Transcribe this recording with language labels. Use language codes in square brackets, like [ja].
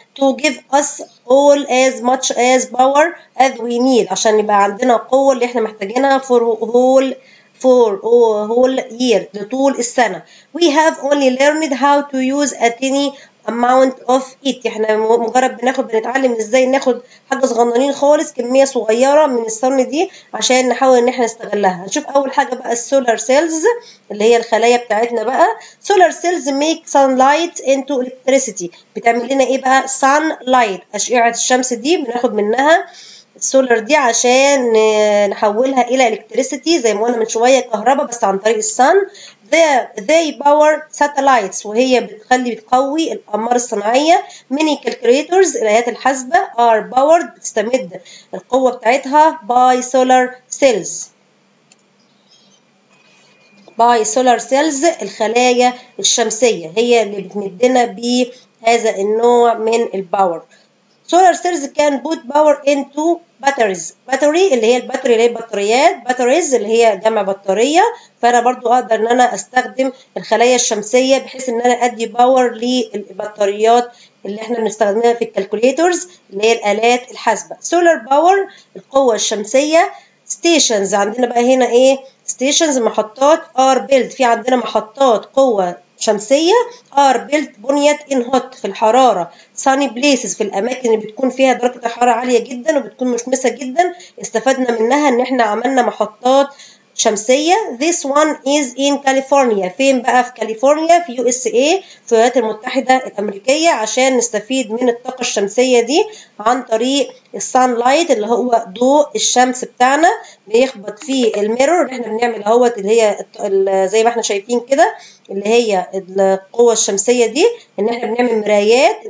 [en] To give us all as much as power as we need. [ar] عشان يبقى عندنا القوة اللي احنا محتاجينها [en] for a whole year, [ar] لطول السنة. [en] We have only learned how to use a tiny amount of it. [ar] احنا مجرد بنتعلم ازاي ناخد حاجة صغننين خالص، كمية صغيرة من السن دي عشان نحاول ان احنا نستغلها. هنشوف اول حاجة بقى السولار سيلز اللي هي الخلايا بتاعتنا بقى. [en] Solar cells make sunlight into electricity. [ar] بتعمل لنا ايه بقى sunlight، اشعة الشمس دي بناخد منها السولر دي عشان نحولها الى الكتريستي زي ما قلنا من شويه كهرباء بس عن طريق السن. [en] They power satellites [ar] وهي بتقوي الاقمار الصناعيه. [en] Many calculators [ar] الآيات الحاسبه [en] are powered [ar] بتستمد القوه بتاعتها [en] by solar cells [ar] الخلايا الشمسيه هي اللي بتمدنا بهذا النوع من الباور. [en] Solar cells can put power into batteries. [ar] Battery اللي هي البطارية، اللي هي بطاريات. Batteries اللي هي جمع بطارية. فأنا برضو أقدر إن أنا أستخدم الخلايا الشمسية بحيث إن أنا أدي باور للبطاريات اللي إحنا بنستخدمها في الكالكوليترز اللي هي الآلات الحاسبة. [en] Solar power [ar] القوة الشمسية. Stations عندنا بقى هنا إيه؟ Stations محطات [en] are built. [ar] في عندنا محطات قوة شمسية [en] are built [ar] بنيت in hot في الحرارة. [en] Sunny places [ar] في الأماكن اللي بتكون فيها درجة حرارة عالية جدا وبتكون مشمسة جدا استفدنا منها إن إحنا عملنا محطات شمسية. [en] This one is in California. [ar] فين بقى في كاليفورنيا؟ في USA في الولايات المتحدة الأمريكية عشان نستفيد من الطاقة الشمسية دي عن طريق sunlight اللي هو ضوء الشمس بتاعنا بيخبط في الميرور اللي احنا بنعمل اهوت اللي هي زي ما احنا شايفين كده اللي هي القوة الشمسية دي ان احنا بنعمل مرايات.